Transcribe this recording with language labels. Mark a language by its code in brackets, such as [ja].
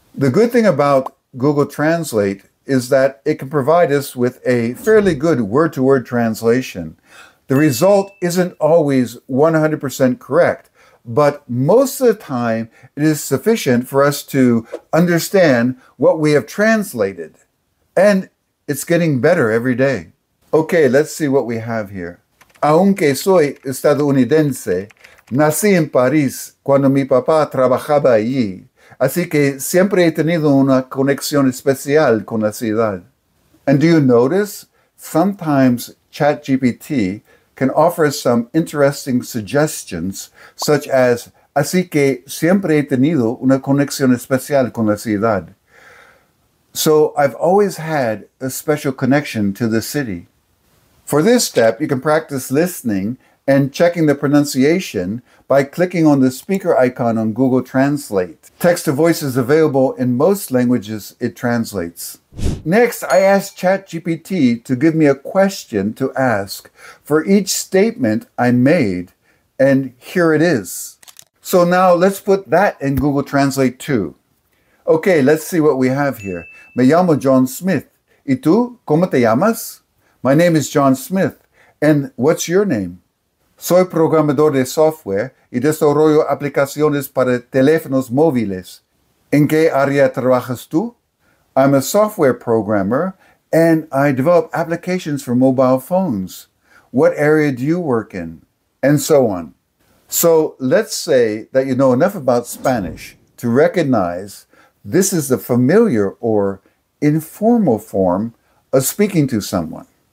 [en] The good thing about Google Translate is that it can provide us with a fairly good word-to-word translation. The result isn't always 100% correct, but most of the time it is sufficient for us to understand what we have translated. And it's getting better every day. Okay, let's see what we have here. [es] Aunque soy estadounidense, nací en París cuando mi papá trabajaba allí, así que siempre he tenido una conexión especial con la ciudad. [en] And do you notice? Sometimes ChatGPT can offer us some interesting suggestions, such as, [es] así que siempre he tenido una conexión especial con la ciudad. [en] So I've always had a special connection to the city. For this step, you can practice listening and checking the pronunciation by clicking on the speaker icon on Google Translate. Text to voice is available in most languages it translates. Next, I asked ChatGPT to give me a question to ask for each statement I made, and here it is. So now let's put that in Google Translate too. Okay, let's see what we have here. [es] Me llamo John Smith. ¿Y tú, cómo te llamas? [en] My name is John Smith. And what's your name? [es] Soy programador de software y desarrollo aplicaciones para teléfonos móviles. ¿En qué área trabajas tú? [en] I'm a software programmer and I develop applications for mobile phones. What area do you work in? And so on. So let's say that you know enough about Spanish to recognize this is the familiar or informal form of speaking to someone.